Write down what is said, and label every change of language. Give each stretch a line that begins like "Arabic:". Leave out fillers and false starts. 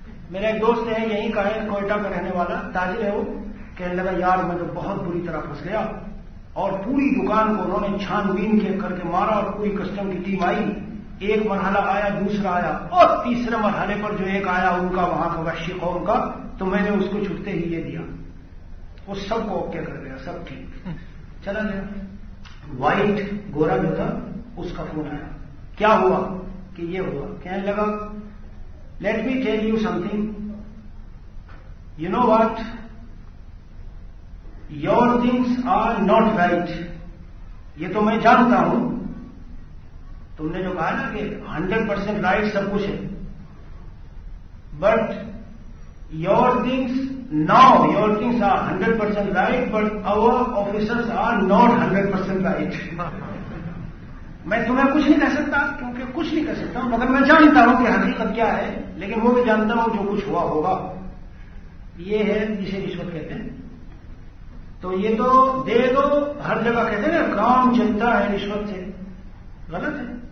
Urdu: میرا ایک دوست ہے یہیں کا ہے، کوئٹہ کا رہنے والا تاجر ہے، وہ کہنے لگا یار میں تو بہت بری طرح پھنس گیا، اور پوری دکان کو انہوں نے چھان بین کے کر کے مارا، اور پوری کسٹم کی ٹیم آئی، ایک مرحلہ آیا، دوسرا آیا، اور تیسرے مرحلے پر جو ایک آیا ان کا وہاں کا وحشی قوم کا، تو میں نے اس کو چھٹتے ہی یہ دیا، وہ سب کو اوکے کر گیا، سب ٹھیک چلا گیا. وائٹ گورا جو تھا اس کا فون آیا، کیا ہوا؟ کہ یہ ہوا. کہنے لگا
English: Let me tell you something. You know what? Your things are not right.
Urdu: یہ تو میں جانتا ہوں، تم نے جو کہا نا کہ
English: 100% right
Urdu: سب کچھ ہے،
English: but your things now, your things are 100% right, but our officers are not 100% right.
Urdu: میں تمہیں کچھ نہیں کہہ سکتا، کیونکہ کچھ نہیں کہہ سکتا ہوں، مگر میں جانتا ہوں کہ حقیقت کیا ہے، لیکن وہ بھی جانتا ہوں جو کچھ ہوا ہوگا. یہ ہے جسے رشوت کہتے ہیں. تو یہ تو دے دو ہر جگہ کہتے ہیں کام جنتا ہے رشوت سے غلط ہے.